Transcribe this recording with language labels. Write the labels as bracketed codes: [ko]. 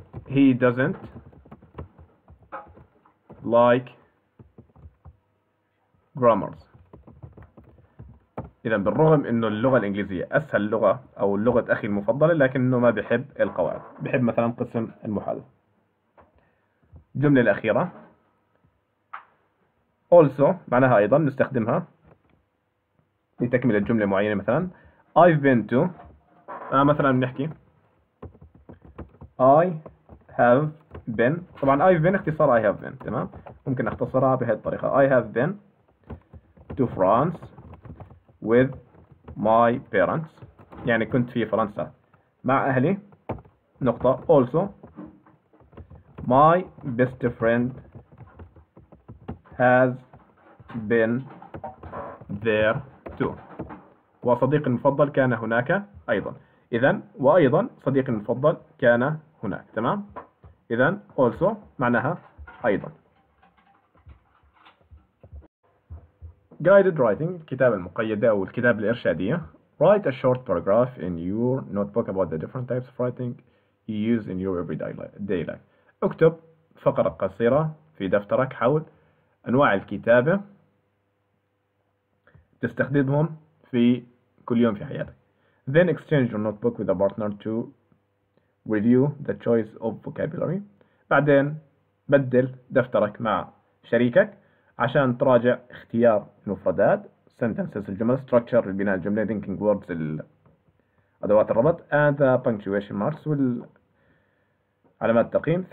[en] He doesn't like grammars. [ar] إذا بالرغم إنه اللغة الإنجليزية أسهل لغة أو لغة أخي المفضلة، لكنه ما بحب القواعد، بحب مثلا قسم المحادثة. الجملة الأخيرة also معناها أيضا، نستخدمها لتكمل الجملة معينة. [en] مثلا I've been to، [ar] مثلا بنحكي [en] I have been. [ar] طبعا I've been اختصار [en] I have been، تمام، ممكن اختصرها بهذه الطريقة I have been to France with my parents، [ar] يعني كنت في فرنسا مع أهلي. [en] نقطة also my best friend has been there too، [ar] وصديقي المفضل كان هناك أيضا. إذا وأيضا صديقي المفضل كان هناك، تمام. إذا also معناها أيضا. [en] Guided writing، [ar] الكتابة المقيدة أو الكتابة الإرشادية. [en] Write a short paragraph in your notebook about the different types of writing you use in your everyday life. [ar] اكتب فقرة قصيرة في دفترك حول أنواع الكتابة تستخدمهم في كل يوم في حياتك. [en] Then exchange your notebook with a partner to review the choice of vocabulary. [ar] بعدين بدل دفترك مع شريكك عشان تراجع اختيار المفردات، sentences الجمل، structure لبناء الجملة، linking words أدوات الربط، [en] and the punctuation marks [ar] والعلامات التقييم.